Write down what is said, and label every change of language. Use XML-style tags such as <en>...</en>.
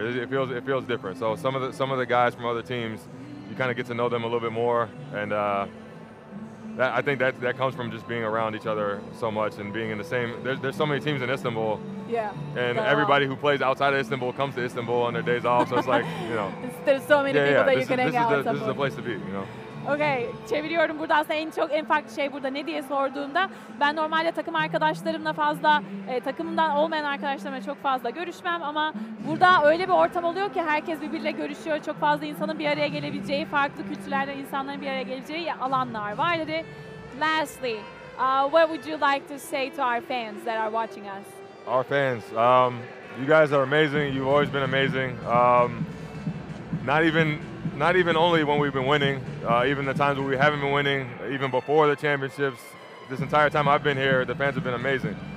<en>It feels different. So some of the guys from other teams, you kind of get to know them a little bit more. And I think that comes from just being around each other so much and being in the same... There's so many teams in Istanbul. Yeah. And everybody who plays outside of Istanbul comes to Istanbul on their days off. So it's like, you know. There's so many people that you can hang out with. This is the place to be, you know.</en> <tr>Okay, çeviriyorum burada aslında en çok en farklı şey burada ne diye sorduğumda ben normalde takım arkadaşlarımla fazla takımımdan olmayan arkadaşlarımla çok fazla görüşmem ama burada öyle bir ortam oluyor ki herkes birbiriyle görüşüyor. Çok fazla insanın bir araya gelebileceği, farklı kültürlerden insanların bir araya gelebileceği alanlar var dedi.</tr> <en>Lastly, what would you like to say to our fans that are watching us? Our fans, you guys are amazing. You've always been amazing. Not even only when we've been winning, even the times when we haven't been winning, even before the championships, this entire time I've been here, the fans have been amazing.</en>